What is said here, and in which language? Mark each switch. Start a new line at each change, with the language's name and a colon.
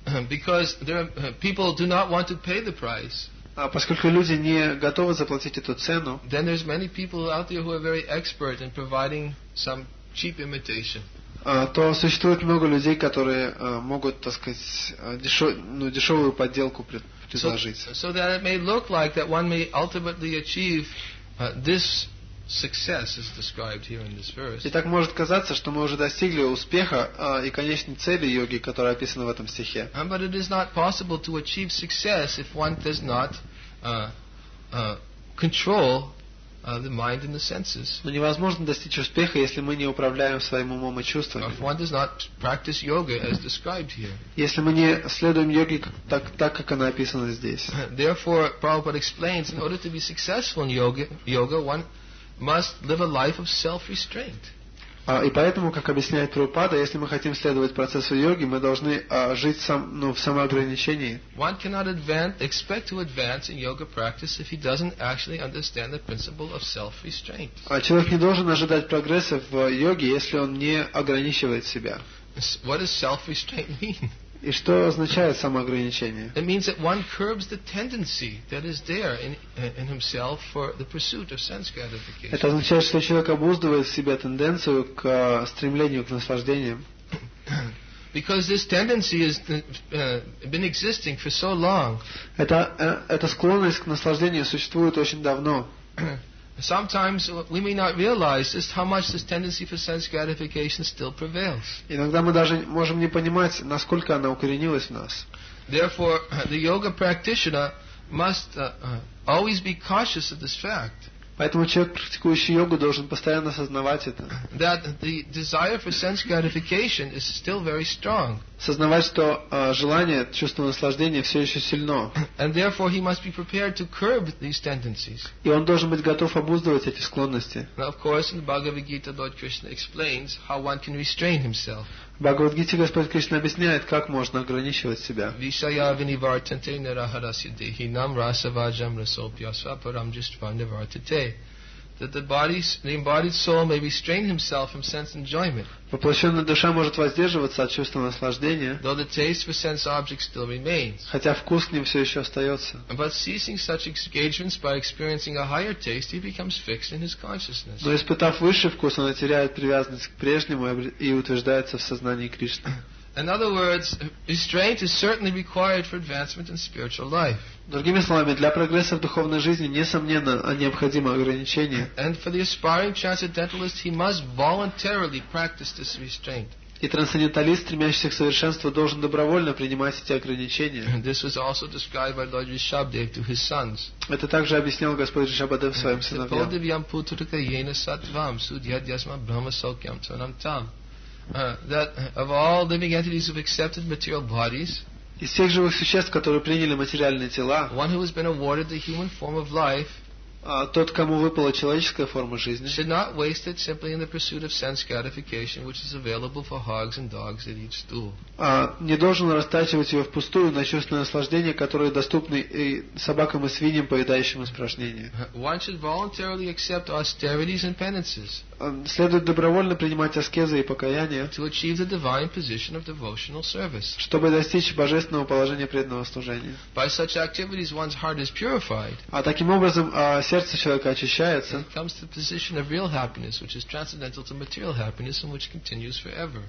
English: Because there are, people do not want to pay the price.
Russian: А поскольку люди не готовы заплатить эту цену,
English: then there's many people out there who are very expert in providing some cheap imitation.
Russian: То существует много людей, которые могут, так сказать, дешевую подделку предложить.
English: So that it may look like that one may ultimately achieve this success is described here in this verse.
Russian: И так может казаться, что мы уже достигли успеха и конечной цели йоги, которая описана в этом стихе.
English: But it is not possible to achieve success if one does not control the mind and the senses.
Russian: Но невозможно достичь успеха, если мы не управляем своим умом и чувствами.
English: If one does not practice yoga as described here.
Russian: Если мы не следуем йоге так, как она описана здесь.
English: Therefore, Prabhupada explains, in order to be successful in yoga, one must live a life of self-restraint.
Russian: И поэтому, как объясняет Прабхупада, если мы хотим следовать процессу йоги, мы должны жить в самоограничении.
English: One cannot expect to advance in yoga practice if he doesn't actually understand the principle of self-restraint.
Russian: Человек не должен ожидать прогресса в йоге, если он не ограничивает себя.
English: What does self-restraint mean?
Russian: И что означает самоограничение?
English: It means that one curbs the tendency that is there in himself for the pursuit of sense gratification.
Russian: Это означает, что человек обуздывает в себе тенденцию к стремлению к наслаждениям.
English: Because this tendency has been existing for so long.
Russian: Эта склонность к наслаждению существует очень давно.
English: Sometimes we may not realize just how much this tendency for sense gratification still prevails.
Russian: Иногда мы даже можем не понимать, насколько она укоренилась в нас.
English: Therefore, the yoga practitioner must always be cautious of this fact.
Russian: Поэтому человек, практикующий йогу, должен постоянно осознавать это.
English: That the desire for sense gratification is still very strong.
Russian: Сознавать, что желание, чувство наслаждения все еще сильно.
English: And therefore he must be prepared to curb these tendencies.
Russian: И он должен быть готов обуздывать эти склонности.
English: Now, of course, in the Bhagavad Gita, Lord Krishna explains how one can restrain himself.
Russian: В Бхагавад Гите Господь Кришна объясняет, как можно ограничивать себя.
Sanskrit: Вишая винивартанте нирахарасья дехи нам расаваджам расопьяса парам джиштванивартате.
English: That the embodied soul may restrain himself from sense enjoyment.
Russian: Воплощенная душа может воздерживаться от чувства наслаждения.
English: Though the taste for sense objects still remains.
Russian: Хотя вкус к ним все еще остается.
English: But ceasing such engagements by experiencing a higher taste, he becomes fixed in his consciousness.
Russian: Но испытав высший вкус, он теряет привязанность к прежнему и утверждается в сознании Кришны.
English: In other words, restraint is certainly required for advancement in spiritual life.
Russian: Другими словами, для прогресса в духовной жизни несомненно необходимо ограничение.
English: And for the aspiring transcendentalist, he must voluntarily practice this restraint.
Russian: И трансценденталист, стремящийся к совершенству, должен добровольно принимать эти ограничения.
English: This was also described by Lord Rishabhdev to his sons.
Russian: Это также объяснял Господь Ришабхадев своим сыновьям. Сиподивьям путрика йена сатвам судьядьясма брахма сокьям цванам там.
English: That of all living entities who have accepted material bodies,
Russian: из всех живых существ, которые приняли материальные тела,
English: one who has been awarded the human form of life,
Russian: тот, кому выпала человеческая форма жизни,
English: should not waste it simply in the pursuit of sense gratification, which is available for hogs and dogs at each stool.
Russian: Не должен растрачивать ее впустую на чувственное наслаждение, которое доступно и собакам и свиньям, поедающим испражнения.
English: One should voluntarily accept austerities and penances.
Russian: Следует добровольно принимать аскезы и покаяния,
English: to achieve the divine position of devotional service,
Russian: чтобы достичь божественного положения преданного служения.
English: By such activities, one's heart is purified.
Russian: А таким образом сердце человека очищается.
English: It comes to the position of real happiness, which is transcendental to material happiness and which continues forever.